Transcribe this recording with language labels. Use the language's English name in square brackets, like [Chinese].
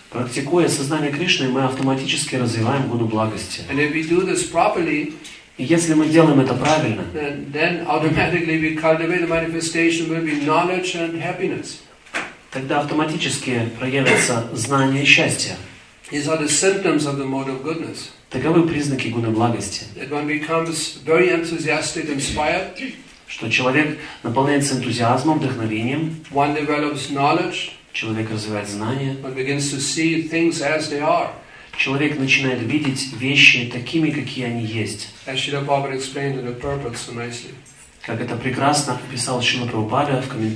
[Russian] Практикуя сознание Кришны, мы автоматически развиваем гуну благости. [English] And if we do this properly. [Russian] И если мы делаем это правильно, [English] then automatically we cultivate the manifestation will be knowledge and happiness. [Russian] Тогда автоматически проявится знание и счастье. [English] These are the symptoms of the mode of goodness. [Russian] Таковы признаки гуны благости. [English] That one becomes very enthusiastic, inspired. [Russian] Что человек наполняется энтузиазмом, вдохновением. [English] One develops knowledge. [Russian] Человек развивает знания. [English] But begins to see things as they are. [Russian] Человек начинает видеть вещи такими, какие они есть. Как это прекрасно описал Шрила Прабхупада в